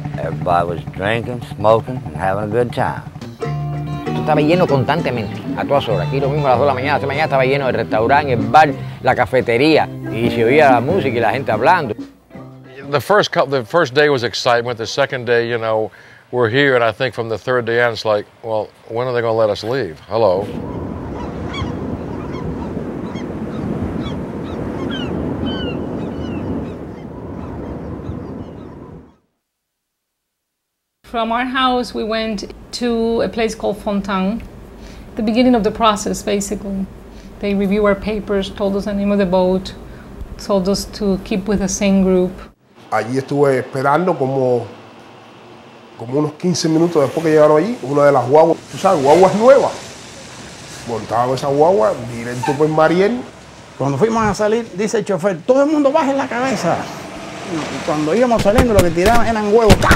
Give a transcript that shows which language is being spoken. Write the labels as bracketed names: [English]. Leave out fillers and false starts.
[English] Everybody was drinking, smoking, and having a good time. [Spanish] Esto estaba lleno constantemente, a todas horas. Aquí lo mismo a las 2 de la mañana. Esta mañana estaba lleno de restaurante, el bar, la cafetería. Y se oía la música y la gente hablando. [English] The first day was excitement. The second day, you know, we're here, and I think from the third day on, it's like, well, when are they going to let us leave? Hello. From our house, we went to a place called Fontang, the beginning of the process, basically. They review our papers, told us the name of the boat, told us to keep with the same group. [Spanish] Allí estuve esperando como unos 15 minutos después que llegaron allí, una de las guaguas, tú sabes, guaguas nuevas. Montaba esa guagua, directo por Mariel. Cuando fuimos a salir, dice el chofer, todo el mundo baje la cabeza. Y cuando íbamos saliendo, lo que tiraban eran huevos.